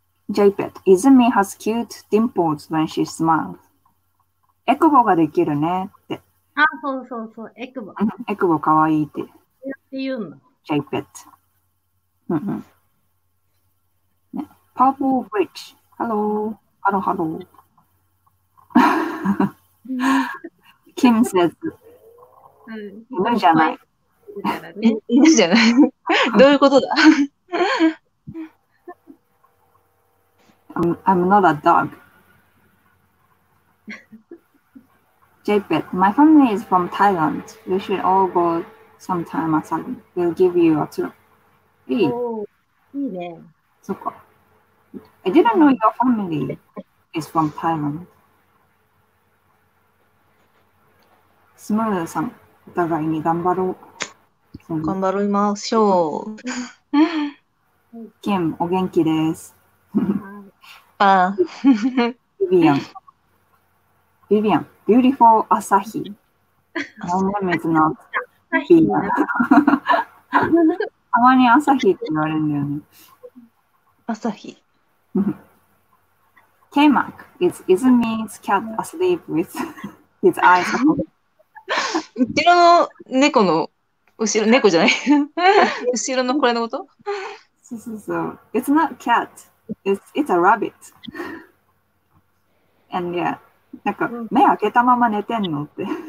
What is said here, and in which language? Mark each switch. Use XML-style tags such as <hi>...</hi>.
<en>JPET, Izumi has cute dimples when she smiles.</en> <ja>エクボができるねって。あ、そうそうそう、エクボ。エクボかわいいって。って言うの。 JPET。 うんうん。</ja> <en>Purple Bridge. Hello. Hello, hello.</en> <ja>キムセズ、うん、犬じゃない犬じゃないどういうことだ</ja> <en>I'm not a dog. JPET, my family is from Thailand. We should all go sometime at some. We'll give you a tour.</en> <ja>いい、いいね。そっか。</ja> <en>I didn't know your family is from Thailand.</en> <ja>スマルさん、お互いに頑張ろう。頑張りましょう。キム、お元気です。あビビアン。</ja> <en>ビビアン、ビューティフォーアサヒ。</en> <ja>何でもつなぐ。アサヒな。たまにアサヒって言われるんだよね。アサヒ。</ja> <en>ケイマック、is Izumi's cat asleep with his eyes open?</en> <ja>後ろの猫の後ろ猫じゃない後ろのこれのことそうそうそう</ja> <en>It's not cat It's a rabbit And yeah</en> <ja>なんか目開けたまま寝てんのって</ja>